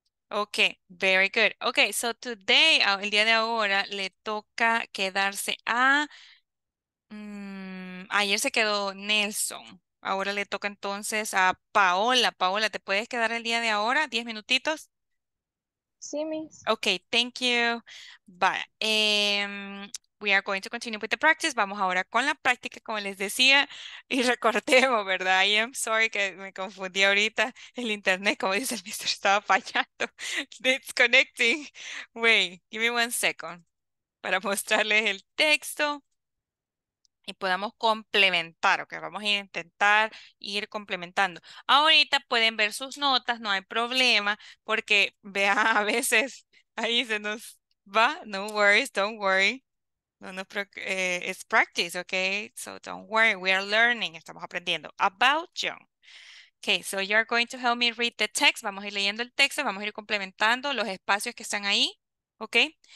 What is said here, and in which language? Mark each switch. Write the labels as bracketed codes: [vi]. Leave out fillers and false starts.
[en] Okay, very good. Okay, so today, [es] el día de ahora, le toca quedarse a... ayer se quedó Nelson. Ahora le toca entonces a Paola. Paola, ¿te puedes quedar el día de ahora? 10 minutitos. Sí, miss. [en] Okay, thank you. But we are going to continue with the practice. [es] Vamos ahora con la práctica, como les decía. Y recordemos, ¿verdad? [en] I am sorry [es] que me confundí ahorita. El internet, como dice el mister, estaba fallando. [en] It's connecting. Wait, give me 1 second. [es] Para mostrarles el texto. Y podamos complementar, ¿ok? Vamos a intentar ir complementando. Ahorita pueden ver sus notas, no hay problema, porque vea, a veces ahí se nos va. [en] No worries, don't worry. It's practice, okay? So don't worry, we are learning, [es] estamos aprendiendo [en] about John. Okay, so you're going to help me read the text. [es] Vamos a ir leyendo el texto, vamos a ir complementando los espacios que están ahí, okay?